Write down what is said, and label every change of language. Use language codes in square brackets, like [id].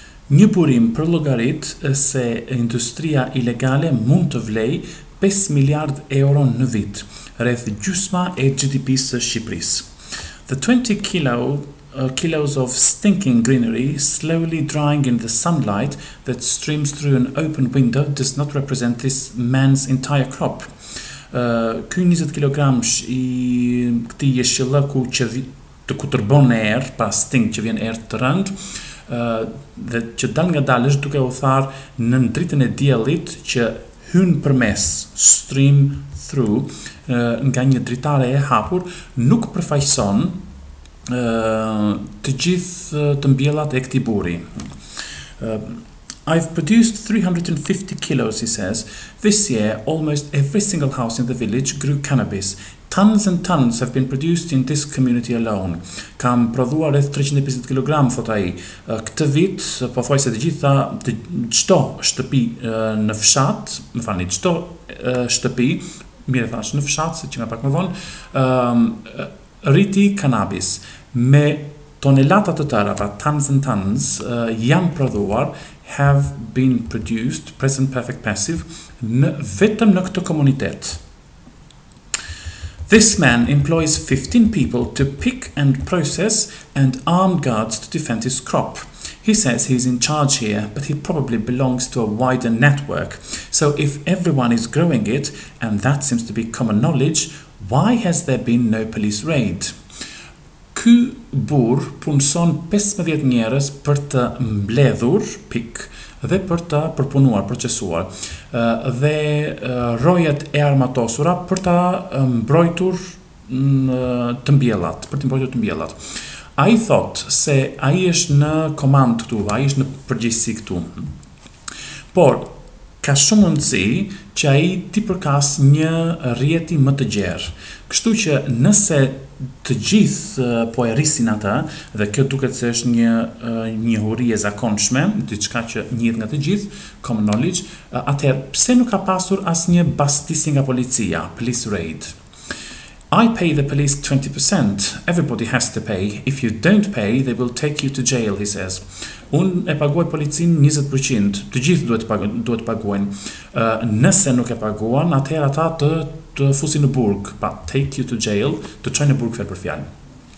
[sq] Një burim për llogarit se industria ilegale mund të vlej 5 miliard euro në vit, rreth gjysma e GDP-së së Shqipërisë. [en] The 20 kilos of stinking greenery slowly drying in the sunlight that streams through an open window does not represent this man's entire crop. [sq] Ky 20 kg I këti jeshillëku që të kutërbon e erë, pas sting që vjen erë të rënd, dhe që dal nga dalësh duke u tharë në dritën e diellit që hyn përmes, [en] stream through, [sq] nga një dritare e hapur, nuk përfaqëson të gjithë të mbjellat e këtij burri. [en] I've produced 350 kilos, he says. This year, almost every single house in the village grew cannabis. Tons and tons have been produced in this community alone. [sq] Kam prodhuar rreth 350 kg, thot ai. Këtë vit, po thoj se të gjitha, çdo shtëpi në fshat, më falni, çdo shtëpi, mirë thash, në fshat, se që nga pak më vonë, rriti cannabis. Me tonelata të tëra, pra [en] tons and tons, [sq] janë prodhuar, [en] have been produced, present perfect passive, [sq] në vetëm në këtë komunitet. [en] This man employs 15 people to pick and process and armed guards to defend his crop. He says he's in charge here, but he probably belongs to a wider network. So if everyone is growing it, and that seems to be common knowledge, why has there been no police raid? [sq] Ky burr punson 15 njerëz për të mbledhur pik dhe për të përpunuar, procesuar, dhe rrojet e armatosura për të mbrojtur të mbjellat, për të mbrojtur të mbjellat. Ai thot se ai është në komand këtu, ai është në përgjegjësi këtu. Por ka shumë mundësi që ai t'i përkas një rrjeti më të gjerë. Kështu që nëse të gjithë po e rrisin ata, dhe kjo duket se është një njohuri e zakonshme, diçka që njihet nga të gjithë, [en] common knowledge, [sq] atëherë pse nuk ka pasur asnjë bastisje nga policia, [en] police raid? I pay the police 20%. Everybody has to pay. If you don't pay, they will take you to jail, he says. [sq] Unë e paguaj policinë 20%. Të gjithë duhet paguajnë. Nëse nuk e paguan, atëherë ata të fusin në burg. Pa, [en] take you to jail, [sq] të qojnë në burg fjalë për fjalë.